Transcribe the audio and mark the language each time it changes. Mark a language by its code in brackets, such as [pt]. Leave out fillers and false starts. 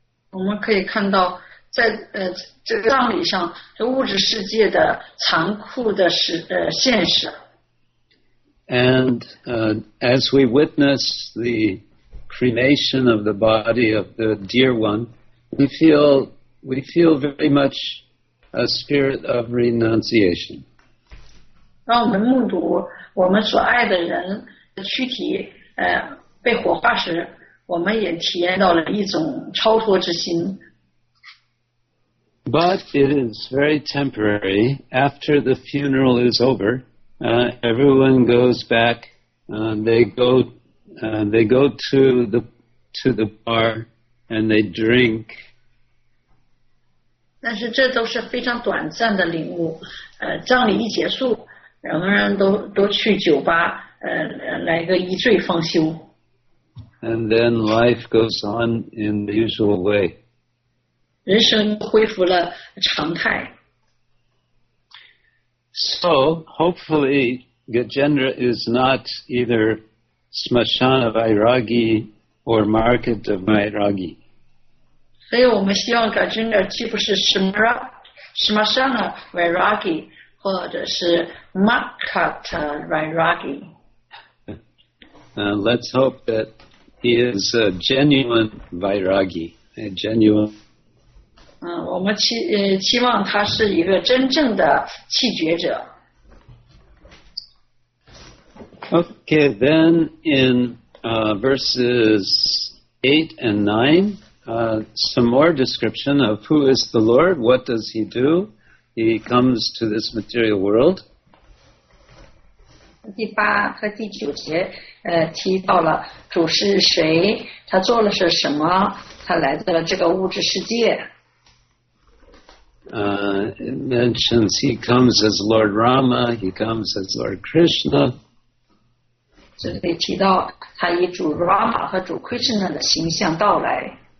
[zh] 我们可以看到在这个葬礼上物质世界的残酷的现实。 [en] And as we witness the cremation of the body of the dear one, we feel very much a spirit of renunciation. [zh] 让我们目睹我们所爱的人的躯体被火化时，我们也体验到了一种超脱之心。 [en] But it is very temporary. After the funeral is over, everyone goes back. They go to the bar and they drink. [zh] 但是这都是非常短暂的领悟。葬礼一结束，人们都去酒吧，来个一醉方休。 [en] And then life goes on in the usual way. [zh] 人生恢复了常态。 [en] So, hopefully, Gajendra is not either Smashana Vairagi or Markata Vairagi. [zh] 所以我们希望 Gajendra 既不是 Smashana Vairagi 或者是 Markata Vairagi. [en] Let's hope that he is a genuine Vairagi, a genuine. [zh] 我们期望他是一个真正的弃绝者。 [en] Okay, then in verses 8 and 9, some more description of who is the Lord, what does he do? He comes to this material world. [zh] 第八和第九节提到了主是谁，他做了是什么，他来到了这个物质世界。 [en] It mentions he comes as Lord Rama, he comes as Lord Krishna. [zh] 这里提到他以主 Rama 和主 Krishna 的形象到来。